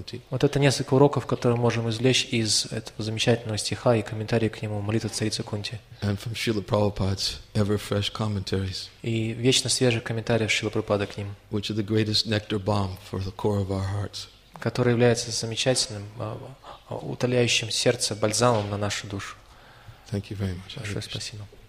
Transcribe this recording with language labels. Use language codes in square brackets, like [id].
[ru] Вот это несколько уроков, которые мы можем извлечь из этого замечательного стиха и комментарии к нему молитвы царицы Кунти. [en] And from Srila Prabhupada's ever fresh commentaries. [ru] И вечно свежих комментариев Шрилы Прабхупады к ним. [en] Which are the greatest nectar balm for the core of our hearts. [ru] Который является замечательным, утоляющим сердце бальзамом на нашу душу. [en] Thank you very much. [ru] Большое спасибо.